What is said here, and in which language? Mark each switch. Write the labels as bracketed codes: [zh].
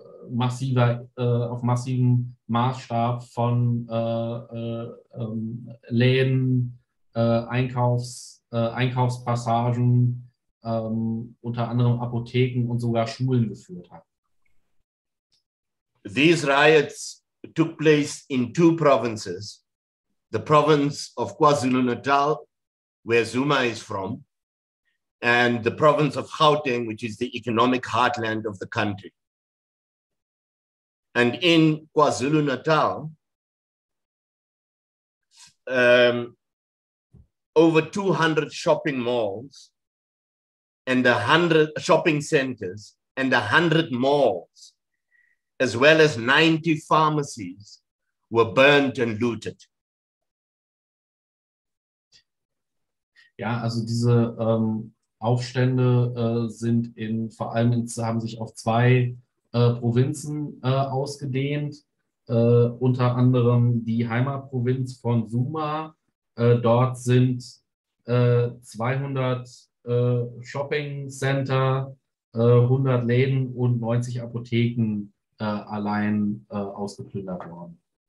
[de] massivem Maßstab von Läden, Einkaufspassagen, unter anderem Apotheken und sogar Schulen geführt hat. [en] These riots took place in two provinces, the province of KwaZulu-Natal, where Zuma is from, and the province of Gauteng, which is the economic heartland of the country. And in KwaZulu-Natal, over 200 shopping malls and 100 shopping centers and 100 malls, as well as 90 pharmacies, were burned and looted. [de] Ja, also diese Aufstände sind in vor allem haben sich auf zwei Provinzen ausgedehnt, unter anderem die Heimatprovinz von Zuma. Dort sind 200 Shopping-Center, 100 Läden und 90 Apotheken allein ausgeplündert worden.